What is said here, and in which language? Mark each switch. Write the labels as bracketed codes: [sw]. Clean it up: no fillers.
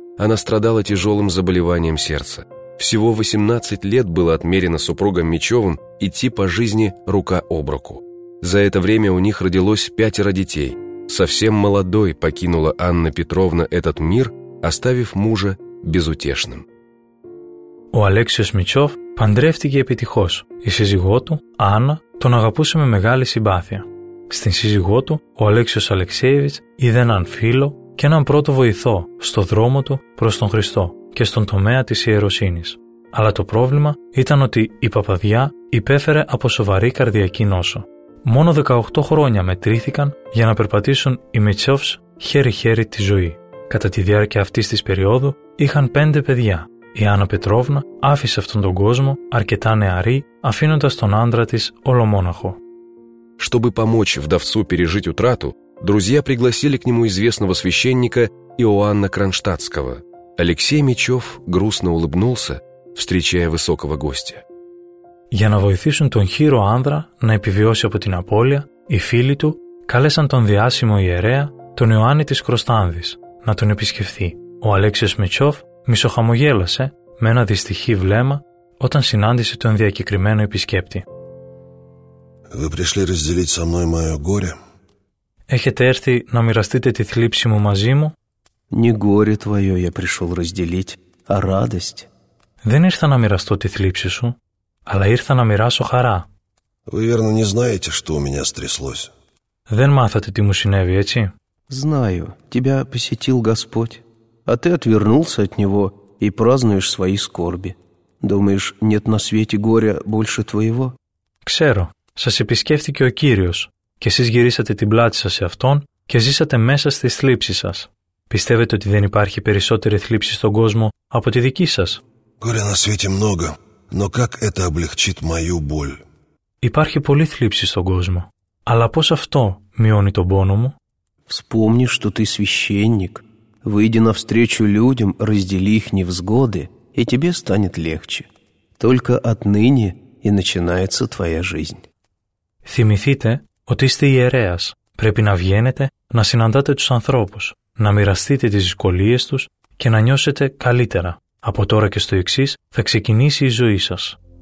[ru] Она страдала тяжелым заболеванием сердца. Всего 18 лет было отмерено супругом Мичевым идти по жизни рука об руку. За это время у них родилось 5 детей. Совсем молодой покинула Анна Петровна этот мир, оставив мужа безутешным. [el] Ο Αλέξιος Μητσόφ παντρεύτηκε επιτυχώς. Η σύζυγό του, Άννα, τον αγαπούσε με μεγάλη συμπάθεια. Στην σύζυγό του, ο Αλέξιος Αλεξέεβιτς είδε έναν φίλο και έναν πρώτο βοηθό στο δρόμο του προς τον Χριστό και στον τομέα της ιεροσύνης. Αλλά το πρόβλημα ήταν ότι η παπαδιά υπέφερε από σοβαρή καρδιακή νόσο. Μόνο 18 χρόνια μετρήθηκαν για να περπατήσουν οι Μητσόφς χέρι-χέρι τη ζωή. Κατά τη διάρκεια αυτής της περίοδου είχαν 5 παιδιά. Η Άννα Πετρόβνα άφησε αυτόν τον κόσμο αρκετά νεαρή, αφήνοντας τον άντρα της ολομόναχο. [ru] Чтобы помочь вдовцу пережить утрату, друзья пригласили к нему известного священника Иоанна Кронштадтского. Алексей Мичев грустно улыбнулся, встречая высокого гостя. [el] Για να βοηθήσουν τον χείρο άνδρα να επιβιώσει από την απώλεια, οι φίλοι του κάλεσαν τον διάσημο ιερέα, τον Ιωάννη της Κροστάνδης, να τον επισκεφθεί. Ο Αλέξιος Μητσόφ μισοχαμογέλασε με ένα δυστυχή βλέμμα όταν συνάντησε τον διακεκριμένο επισκέπτη. [ru] Вы пришли разделить со мной мое горе? [el] Έχετε έρθει να μοιραστείτε τη θλίψη μου μαζί μου? [ru] Не горе твое я пришел разделить, а радость. [el] Δεν ήρθα να μοιραστώ τη θλίψη σου, αλλά ήρθα να μοιράσω χαρά. [ru] Вы верно не знаете, что у меня стряслось? [el] Δεν μάθατε τι μου συνέβη, έτσι? [ru] Знаю, тебя посетил Господь, а ты отвернулся от Него и празднуешь свои скорби. Думаешь, нет на свете горя больше твоего? [el] Ξέρω, σας επισκέφθηκε ο Κύριος και εσείς γυρίσατε την πλάτη σας σε Αυτόν και ζήσατε μέσα στις θλίψεις σας. Πιστεύετε ότι δεν υπάρχει περισσότερη θλίψη στον κόσμο από τη δική σας? [ru] Горя на свете много, но как это облегчит мою боль? [el] Υπάρχει πολλή θλίψη στον κόσμο, αλλά πώς αυτό μειώνει τον πόνο μου? [ru] Вспомни, что ты священник. Выйди навстречу людям, раздели их невзгоды, и тебе станет легче. Только отныне и начинается твоя жизнь. [el] Θυμηθείτε ότι είστε ιερέας. Πρέπει να βγαίνετε, να συναντάτε τους ανθρώπους, να μοιραστείτε τις δυσκολίες τους και να νιώσετε καλύτερα. Από τώρα και στο εξής θα ξεκινήσει η ζωή σας.